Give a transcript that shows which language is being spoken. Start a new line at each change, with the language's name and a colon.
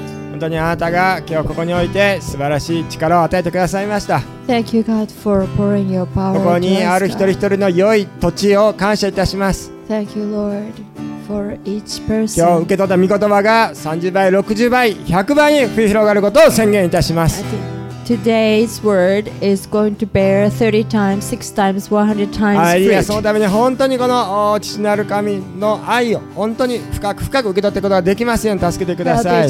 Japanese: 本当にあなたが今日ここに置いて素晴らしい力を与えてくださいました。
English: Thank you God for pouring your power.
Japanese: ここにある一人一人の良い土地を感謝いたします。
English: Thank you Lord for each person.
Japanese: 今日受け取った御言葉が30倍60倍100倍に増え広がることを宣言いたします。
English: Today's word is going to bear 30 times 6 times 100 times fruit.
Japanese: そのために本当にこの父なる神の愛を本当に深く深く受け取ってことができますように助けてください。